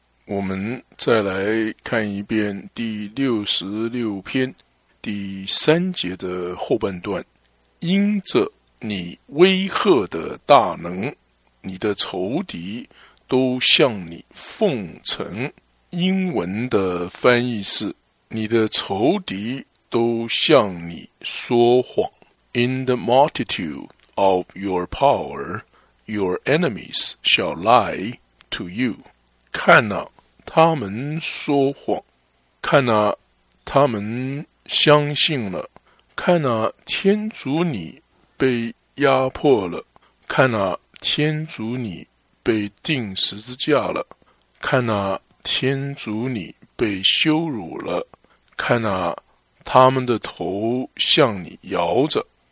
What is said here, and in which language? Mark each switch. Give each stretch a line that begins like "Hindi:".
Chinese: 我们再来看一遍第66篇第三节的后半段，因着你威吓的大能，你的仇敌都向你奉承。英文的翻译是，你的仇敌都向你说谎。
English: In the multitude of your power, your enemies shall lie to you.
Chinese: 看啊，他们说谎，看啊，他们相信了，看啊，天主你被压迫了，看啊，天主你被钉十字架了，看啊，天主你被羞辱了，看啊，他们的头向你摇着。